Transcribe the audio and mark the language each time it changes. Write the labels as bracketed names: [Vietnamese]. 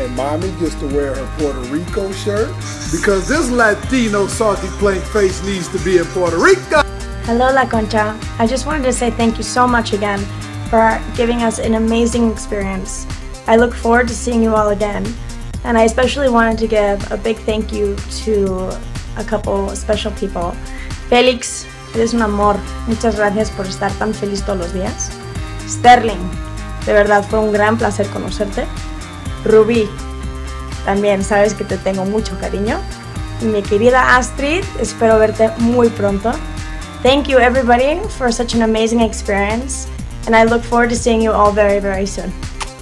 [English] And mommy gets to wear her Puerto Rico shirt because this Latino salty plank face needs to be in Puerto Rico. Hello, La Concha. I just wanted to say thank you so much again for giving us an amazing experience. I look forward to seeing you all again. And I especially wanted to give a big thank you to a couple special people. [Spanish] Félix, eres un amor. Muchas gracias por estar tan feliz todos los días. Sterling, de verdad fue un gran placer conocerte. Rubí, también sabes que te tengo mucho cariño. Y mi querida Astrid, espero verte muy pronto. [English] Thank you everybody for such an amazing experience. And I look forward to seeing you all very, very soon.